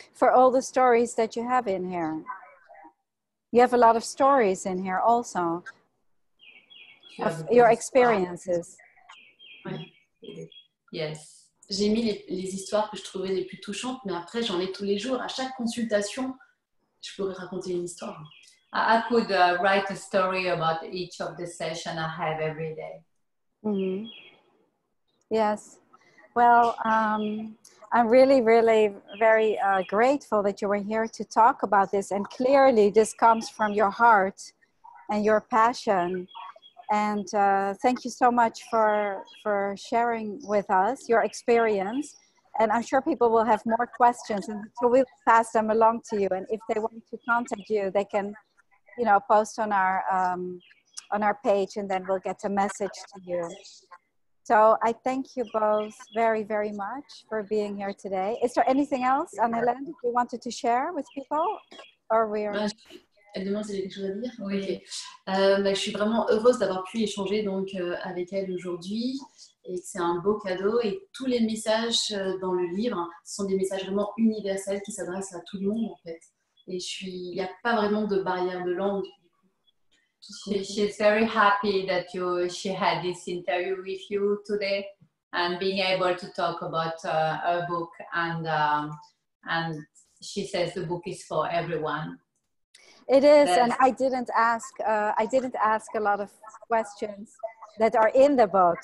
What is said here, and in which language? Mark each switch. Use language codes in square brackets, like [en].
[en] For all the stories that you have in here. You have a lot of stories in here also, of your experiences. Yes. J'ai mis les histoires que je trouvais les plus touchantes, mais après j'en ai tous les jours. À chaque consultation, je pourrais raconter une histoire. I could write a story about each of the sessions I have every day. Mm-hmm. Yes. Well, I'm really, really very grateful that you were here to talk about this. And clearly, this comes from your heart and your passion. And thank you so much for sharing with us your experience. And I'm sure people will have more questions. And so we'll pass them along to you. And if they want to contact you, they can, you know, post on our page, and then we'll get a message to you. So I thank you both very, very much for being here today. Is there anything else, Anne-Helene, that you wanted to share with people? Or we are... [fr] Elle demande si j'ai quelque chose à dire. Oui. Bah, je suis vraiment heureuse d'avoir pu échanger donc avec elle aujourd'hui, et c'est un beau cadeau. Et tous les messages dans le livre sont des messages vraiment universels qui s'adressent à tout le monde en fait. Et il n'y a pas vraiment de barrière de langue. [en] She's very happy that she had this interview with you today and being able to talk about her book, and she says the book is for everyone. It is, and I didn't ask a lot of questions that are in the book.